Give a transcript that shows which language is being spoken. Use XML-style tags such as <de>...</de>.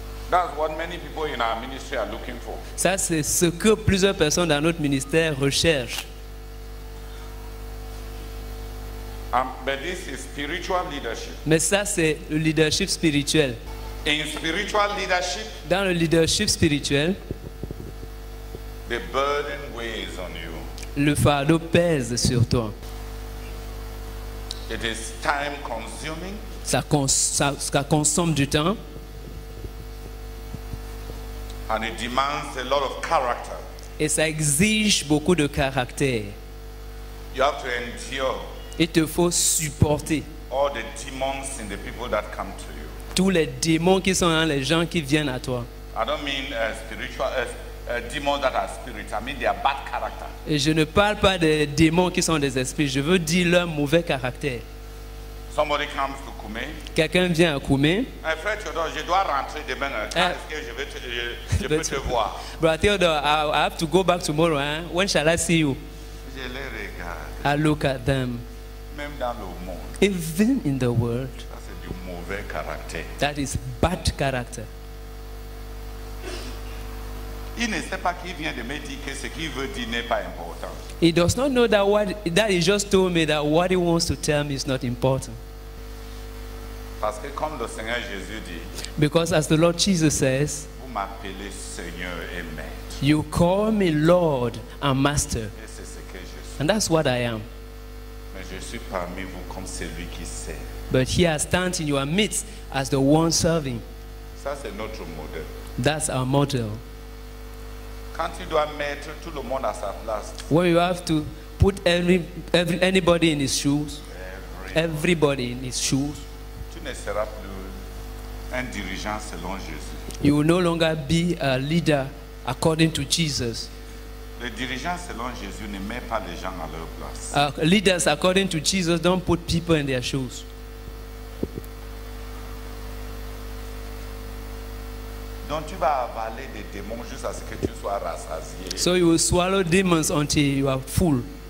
<en>That's what many people in our ministry are looking for.</en> <fr>Ça, c'est ce que plusieurs personnes dans notre ministère recherchent.</fr> <en>But this is spiritual leadership.</en> <fr>Mais ça, c'est le leadership spirituel.</fr> <en>In spiritual leadership,</en> <fr>dans le leadership spirituel,</fr> <en>the burden weighs on you.</en> <fr>Le fardeau pèse sur toi.</fr> <en>It is time consuming.</en> <fr>Ça consomme du temps.</fr> <en>And it demands a lot of character.</en> <fr>Et ça exige beaucoup de caractère.</fr> <en>You have to endure.</en> <fr>Il te faut supporter.</fr> <en>All the demons in the people that come to you.</en> <fr>Tous les démons qui sont dans les gens qui viennent à toi.</fr> <en>I don't mean spiritual demons that are spirits. I mean their bad character.</en> <fr>Et je ne parle pas des démons qui sont des esprits. Je veux dire leur mauvais caractère.</fr> <en>Somebody comes to Koumé.</en> <fr>Quelqu'un vient à Koumé. Hey, frère Théodore, je dois rentrer demain. Je peux te voir.</fr> <en>Bro, Théodore, I have to go back tomorrow. Hein? When shall I see you?</en> <fr>Je les regarde.</fr> <en>I look at them.</en> <fr>Même dans le monde.</fr> <en>Even in the world.</en> <fr>Ça, c'est du mauvais caractère.</fr> <en>That is bad character.</en> <fr>Il ne sait pas qu'il vient de me dire que ce qu'il veut dire n'est pas important.</fr> <en>He does not know that what that he just told me that what he wants to tell me is not important.</en> <fr>Parce que comme le Seigneur Jésus dit,</fr> <en>because as the Lord Jesus says,</en> <fr>vous m'appelez Seigneur et Maître.</fr> <en>You call me Lord and Master.</en> <fr>Et c'est ce que je suis.</fr> <en>And that's what I am.</en> <fr>Mais je suis parmi vous comme celui qui sert.</fr> <en>But he has stand in your midst as the one serving.</en> <fr>Ça, c'est notre model.</fr> <en>That's our model.</en> <fr>Quand tu dois mettre tout le monde à sa place.</fr> <en>When you have to put anybody in his shoes. Everybody in his shoes.</en> <fr>Tu ne seras plus un dirigeant selon Jésus.</fr> <en>You will no longer be a leader according to Jesus.</en> <fr>Le dirigeant selon Jésus ne met pas les gens à leur place.</fr> <en>Leaders according to Jesus don't put people in their shoes.</en> <fr>Donc tu vas avaler des démons jusqu'à ce que tu sois rassasié.</fr> <en>So you will swallow demons until you are full.</en>